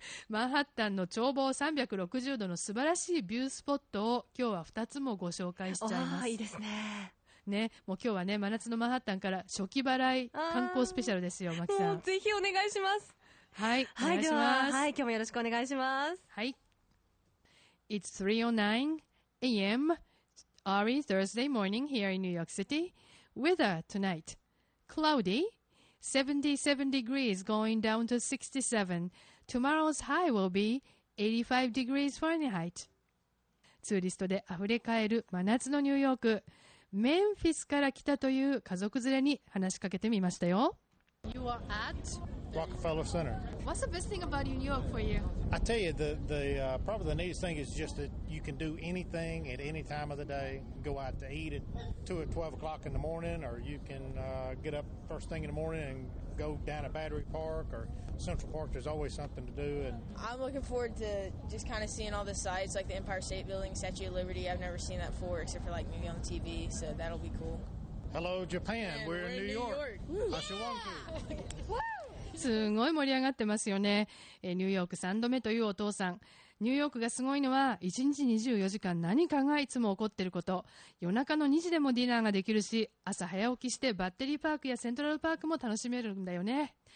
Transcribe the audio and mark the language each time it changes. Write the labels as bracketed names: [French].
[Japanese] マンハッタンの眺望360度の素晴らしいビュースポットを今日は2つもご紹介しちゃいます。いいですね。ね、もう今日はね、真夏のマンハッタンから初期払い観光スペシャルですよ、マキさん。もうぜひお願いします。はい、はい、お願いします。では、はい、今日もよろしくお願いします。はい。 [English] It's 3:09 AM Early Thursday morning here in New York City. Weather tonight: Cloudy, 77 degrees going down to 67. Tomorrow's high will be 85 degrees Fahrenheit. [Japanese] ツーリストであふれかえる真夏のニューヨーク、メンフィスから来たという家族連れに話しかけてみましたよ。 [English] You are at Rockefeller Center. What's the best thing about New York for you? I tell you, probably the neatest thing is just that you can do anything at any time of the day. Go out to eat at 2 or 12 o'clock in the morning, or you can get up first thing in the morning and go down to Battery Park or Central Park. There's always something to do. And I'm looking forward to just kind of seeing all the sights, like the Empire State Building, Statue of Liberty. I've never seen that before, except for like maybe on TV, so that'll be cool. Hello, Japan. We're in New York. Ashiwanku. Woo! [Japanese] すごい盛り上がってますよね。ニューヨーク3度目というお父さん。ニューヨークがすごいのは、1日24時間何かがいつも起こってること。夜中の2時でもディナーができるし、朝早起きしてバッテリーパークやセントラルパークも楽しめるんだよね。